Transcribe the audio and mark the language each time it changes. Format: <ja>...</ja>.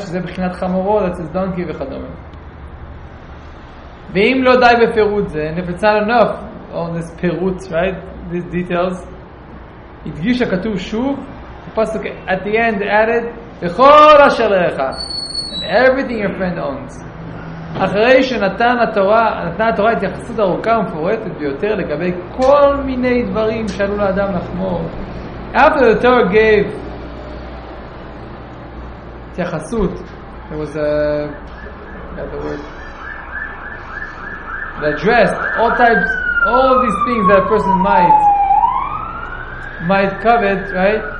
<he>Shezeh bechinat chamoro,</he> <en>that's his donkey,</en> <he>v'chadomen. Ve'im lo dai beferut ze,</he> <en>and if it's not enough, all this perut, right? These details.</en> <he>Idgish hakatuv shuv,</he> <en>the pasuk at the end added,</en> <he>v'chor asher le'echa.</he> <en>And everything your friend owns.</en> <he>אחרי שנתן התורה, נתנה התורה את יחסות ארוכה ומפורטת ביותר לגבי כל מיני דברים שעלו לאדם לחמור.</he> <en>After the Torah gave התייחסות, there was a, yeah, the word, the address, all types, all of these things that a person might covet, right?</en>